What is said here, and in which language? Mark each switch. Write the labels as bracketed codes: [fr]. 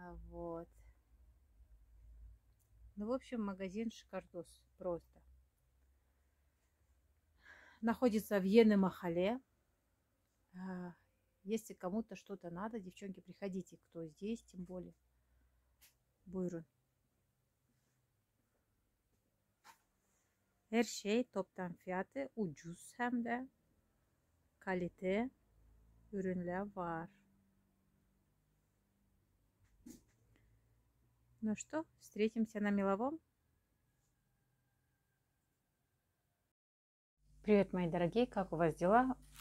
[ru] Вот, ну, в общем, магазин шикардос просто находится в Йены-Махалле. Если кому-то что-то надо, девчонки, приходите, кто здесь, тем более Буйрун. [tr] Her şey toptan fiyatı ucuz hem de kalite ürünler var. [ru] Ну что, встретимся на Меловом? Привет, мои дорогие, как у вас дела?